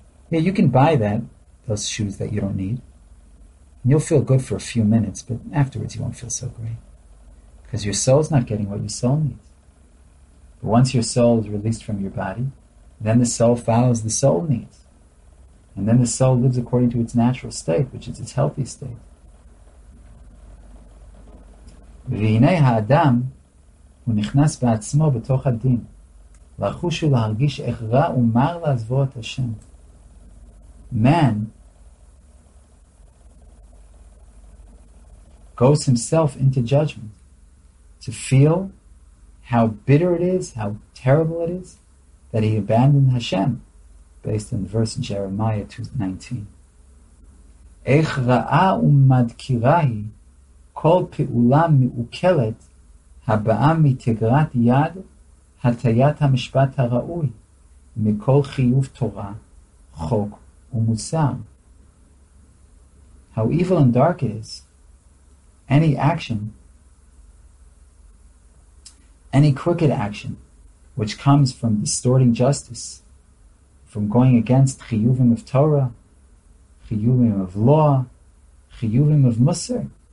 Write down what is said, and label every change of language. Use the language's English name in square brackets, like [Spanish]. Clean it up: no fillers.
[English] Yeah, you can buy that, those shoes that you don't need, and you'll feel good for a few minutes, but afterwards you won't feel so great, because your soul's not getting what your soul needs. But once your soul is released from your body, then the soul follows the soul needs. And then the soul lives according to its natural state, which is its healthy state. [Hebrew] V'hinei ha'adam הוא נכנס בעצמו בתוך הדין לחוש ולהרגיש איך רע ומר לעזבו את השם. [English] Man goes himself into judgment to feel how bitter it is, how terrible it is that he abandoned Hashem, based on the verse in Jeremiah 2:19. [Hebrew] איך רעה ומדקירה היא כל פעולה מעוקלת הבאה מתגרת יד הטיית המשפט הראוי מכל חיוב תורה, חוק ומוסר. [English] How evil and dark it is, any action, any crooked action which comes from distorting justice, from going against chiyuvim of Torah, chiyuvim of law, chiyuvim of musar.